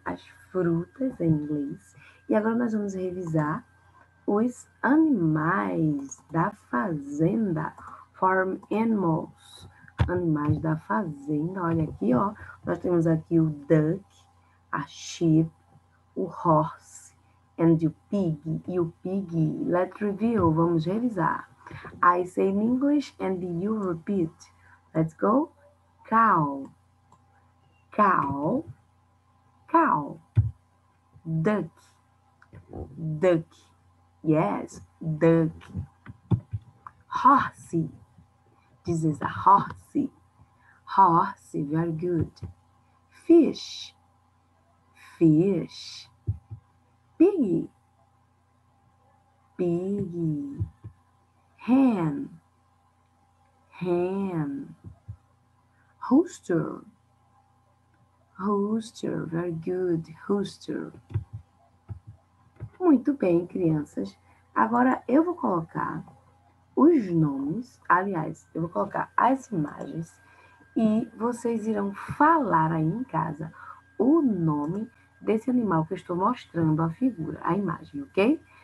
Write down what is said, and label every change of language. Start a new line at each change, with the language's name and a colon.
Portuguese: As frutas em inglês. E agora nós vamos revisar os animais da fazenda.
English: Farm animals.
Portuguese: Animais da fazenda. Olha aqui, ó. Nós temos aqui o duck, a sheep, o horse and o pig. E o pig,
English: let's review.
Portuguese: Vamos revisar.
English: I say in English and you repeat. Let's go. Cow. Cow, cow, duck, duck, yes, duck, horse, this is a horse, horse, very good, fish, fish, piggy, piggy, hen, hen, rooster, rooster, very good, rooster.
Portuguese: Muito bem, crianças. Agora eu vou colocar os nomes, aliás, eu vou colocar as imagens e vocês irão falar aí em casa o nome desse animal que eu estou mostrando a figura, a imagem, ok?